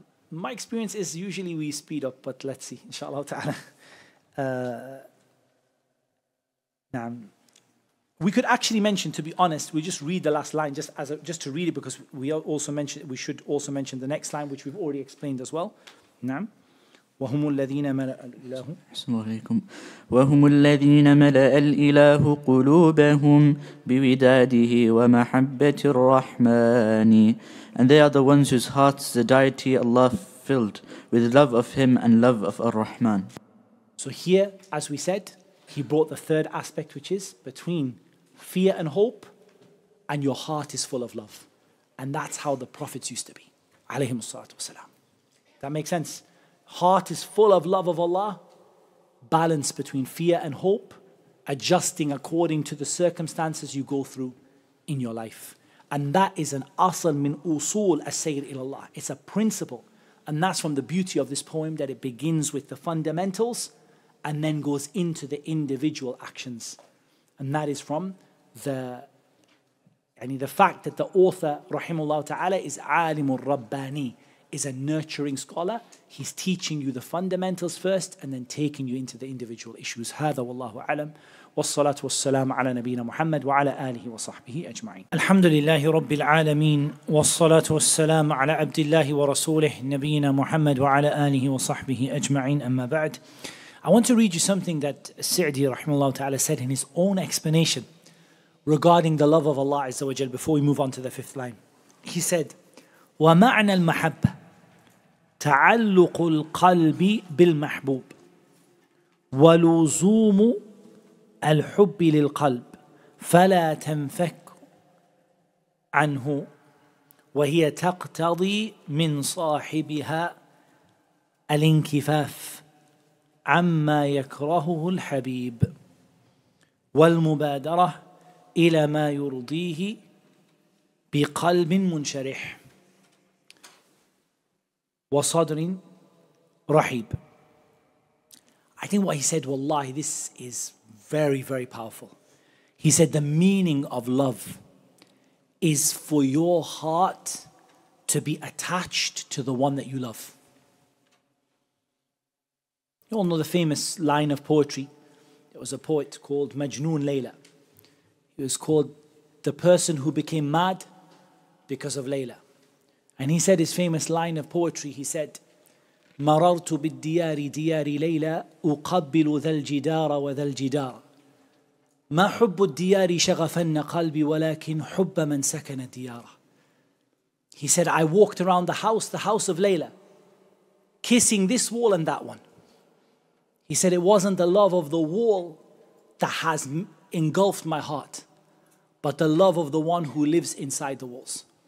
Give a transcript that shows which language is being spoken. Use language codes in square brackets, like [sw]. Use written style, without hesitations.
[en] My experience is usually we speed up, but let's see, inshallah ta'ala. We could actually mention, to be honest, we just read the last line, just to read it, because we should also mention the next line, which we've already explained as well. [ar] Naam. وهم الذين ملأ الإله السلام عليكم وهم الذين ملأ الإله قلوبهم بوداده ومحبة الرحمن. [en] And they are the ones whose hearts the deity Allah filled with love of Him and love of Ar-Rahman. So here, as we said, he brought the third aspect, which is between fear and hope, and your heart is full of love. And that's how the prophets used to be, alayhim salatu wasalam. That makes sense? Heart is full of love of Allah, balance between fear and hope, adjusting according to the circumstances you go through in your life. And that is an asal min usul as-sayr ilallah. It's a principle. And that's from the beauty of this poem, that it begins with the fundamentals and then goes into the individual actions. And that is from the fact that the author, rahimullah ta'ala, is alimul rabbani, is a nurturing scholar. He's teaching you the fundamentals first and then taking you into the individual issues. [ar] هذا والله أعلم والصلاة والسلام على نبينا محمد وعلى آله وصحبه أجمعين. الحمد لله رب العالمين والصلاة والسلام على عبد الله ورسوله نبينا محمد وعلى آله وصحبه أجمعين. أما بعد, [en] I want to read you something that Sa'di [ar] رحمه الله تعالى [en] said in his own explanation regarding the love of Allah [ar] عز وجل [en] before we move on to the fifth line. He said, [ar] ومعنى المحبة تعلق القلب بالمحبوب ولزوم الحب للقلب فلا تنفك عنه وهي تقتضي من صاحبها الانكفاف عما يكرهه الحبيب والمبادرة إلى ما يرضيه بقلب منشرح وَصَدْرٍ رَحِيب. [en] I think what he said, wallahi, this is very, very powerful. He said the meaning of love is for your heart to be attached to the one that you love. You all know the famous line of poetry. There was a poet called Majnoon Layla. He was called the person who became mad because of Layla. And he said his famous line of poetry, he said, [ar] مَرَرْتُ بِالدِّيَارِ دِيَارِ لَيْلَى أُقَبِّلُ ذَا الْجِدَارَ وَذَا الْجِدَارَ مَا حُبُّ الدِّيَارِ شَغَفَنَّ قَلْبِ وَلَكِنْ حُبَّ مَنْ سَكَنَ الدِّيَارَ. [en] He said, I walked around the house of Layla, kissing this wall and that one. He said, it wasn't the love of the wall that has engulfed my heart, but the love of the one who lives inside the walls.